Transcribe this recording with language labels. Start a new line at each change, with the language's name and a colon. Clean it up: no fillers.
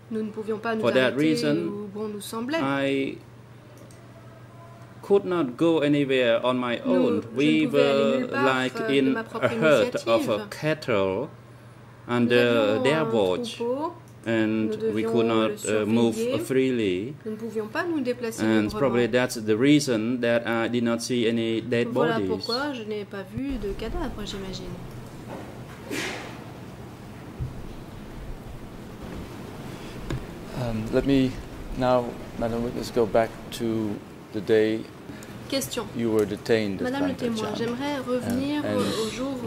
English: For that reason, I could not go anywhere on my own. We were like in a herd of cattle under their watch, and we could not move freely.
French: Nous ne pouvions pas nous déplacer librement.
English: And probably that's the reason that I did not see any dead bodies.
French: Voilà pourquoi je n'ai pas vu de cadavres, j'imagine.
English: Let me now, Madam Witness, go back to the day
French: Question.
English: You were detained.
French: Madame le témoin, j'aimerais revenir au jour où